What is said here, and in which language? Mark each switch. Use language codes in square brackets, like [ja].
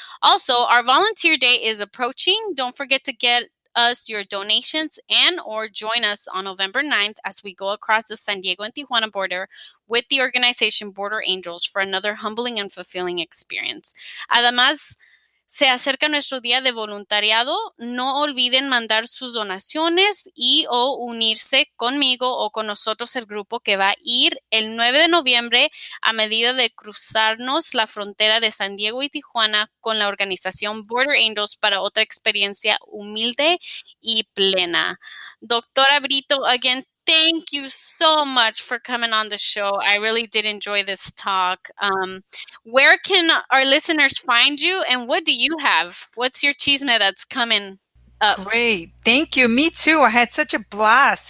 [en] Also, our volunteer day is approaching. Don't forget to get us your donations and or join us on November 9th as we go across the San Diego and Tijuana border with the organization Border Angels for another humbling and fulfilling experience. [es] Además, se acerca nuestro día de voluntariado. No olviden mandar sus donaciones y o unirse conmigo o con nosotros el grupo que va a ir el 9 de noviembre a medida de cruzarnos la frontera de San Diego y Tijuana con la organización Border Angels para otra experiencia humilde y plena. [en] Doctora Brito, again, thank you so much for coming on the show. I really did enjoy this talk. Where can our listeners find you and what do you have? What's your chisme that's coming up? Great. Thank you. Me too. I had such a blast.